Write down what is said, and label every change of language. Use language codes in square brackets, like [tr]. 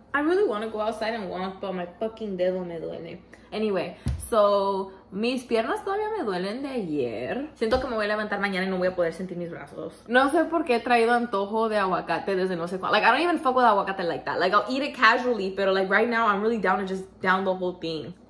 [en] I really want to go outside and walk, but my fucking [es] dedo me duele. [en] Anyway, so, [es] mis piernas todavía me duelen de ayer. Siento que me voy a levantar mañana y no voy a poder sentir mis brazos. No sé por qué he traído antojo de aguacate desde no sé cuándo. [en] Like, I don't even fuck with aguacate like that. Like, I'll eat it casually, pero like, right now, I'm really down to just down the whole thing.